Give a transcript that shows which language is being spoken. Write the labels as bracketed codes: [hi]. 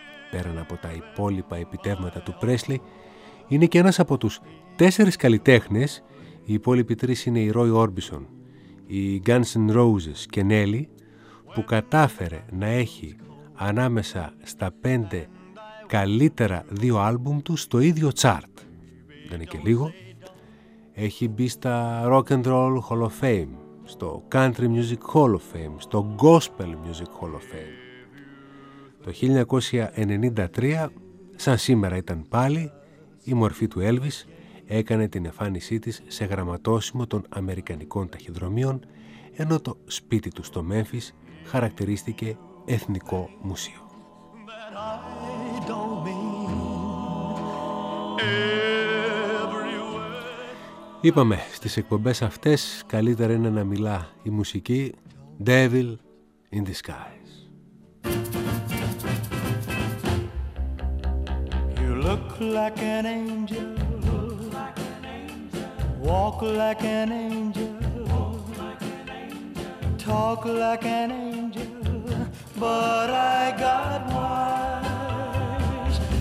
[el] Πέραν από τα υπόλοιπα επιτεύγματα του Presley, είναι και ένας από τους 4 καλλιτέχνες, οι υπόλοιποι 3 είναι οι Roy Orbison, οι Guns N' Roses και Nelly, που κατάφερε να έχει ανάμεσα στα 5 καλύτερα 2 άλμπουμ του στο ίδιο chart. Δεν είναι και λίγο. Έχει μπει στα Rock and Roll Hall of Fame, στο Country Music Hall of Fame, στο Gospel Music Hall of Fame. Το 1993, σαν σήμερα ήταν πάλι, η μορφή του Elvis έκανε την εμφάνισή της σε γραμματώσιμο των Αμερικανικών ταχυδρομείων, ενώ το σπίτι του στο Memphis χαρακτηρίστηκε εθνικό μουσείο. Είπαμε, στις εκπομπές αυτές καλύτερα είναι να μιλά η μουσική Devil in Disguise. [en] You look like an angel, walk like an angel, talk like an angel, but I got wise.